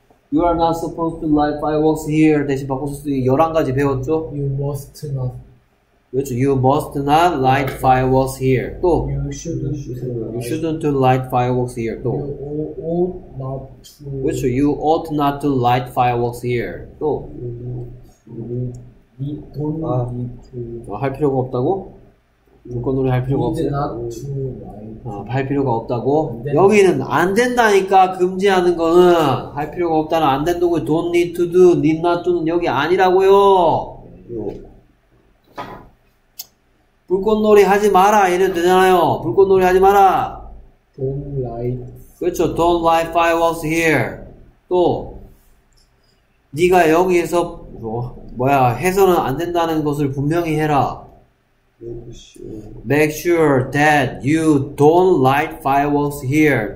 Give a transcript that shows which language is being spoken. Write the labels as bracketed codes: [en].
[en] You are not supposed to light fireworks here. [ko] 대신 바꿀 수 있는 11가지 배웠죠? [en] You must not. [ko] 그렇죠. [en] You must not light fireworks here. [ko] 또. [en] You shouldn't light fireworks here. [ko] 또. [en] You ought not to light fireworks here. [ko] 또. [en] You don't need to. [ko] 할 필요가 없다고? 조건으로 할 필요가 없어요. 아, 할 필요가 없다고? 여기는 안 된다니까, 금지하는 거는. 할 필요가 없다는 안 된다는 거, [en] don't need to do, need not to [ko] 는 여기 아니라고요. 불꽃놀이 하지 마라, 이래도 되잖아요. 불꽃놀이 하지 마라. [en] Don't light. [ko] 그렇죠. [en] Don't light fireworks here. [ko] 또, 네가 여기에서, 뭐야, 해서는 안 된다는 것을 분명히 해라. [en] Make sure that you don't light fireworks here.